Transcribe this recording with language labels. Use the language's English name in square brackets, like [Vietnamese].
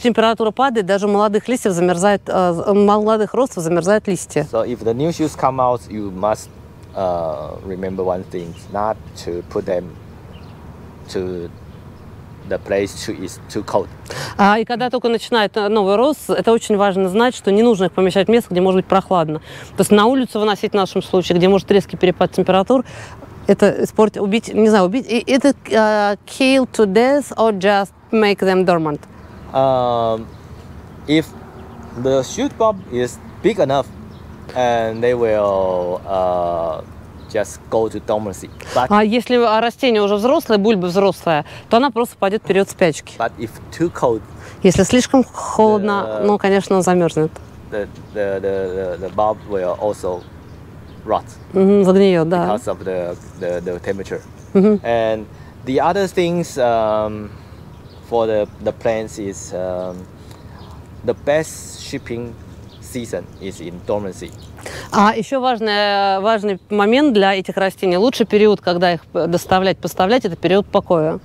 [Russian] температура падает, даже молодых листьев замерзает, молодых ростов замерзают листья. [English] So if the new shoots come out, you must remember one thing: not to put them to the place too is too cold. [Russian] И когда только начинает новый рост, это очень важно знать, что не нужно их помещать в место, где может быть прохладно. То есть на улицу выносить в нашем случае, где может резкий перепад температур. Это испортить, убить, не знаю, убить. [English] Это kill to death or just make them dormant? If the shoot bulb is big enough, and they will just go to dormancy. [Russian] But, а если растение уже взрослое, бульба взрослая, то она просто пойдет в период спячки. [English] But if too cold, [Russian] если слишком холодно, ну, конечно, он замерзнет. [English] The bulb will also rot. [Russian] Mm-hmm, загниет, да. [English] Because of the temperature. Mm-hmm. And the other things for the plants is the best shipping season is in dormancy. [Russian] А еще важный момент для этих растений. Лучший период, когда их доставлять, поставлять, это период покоя.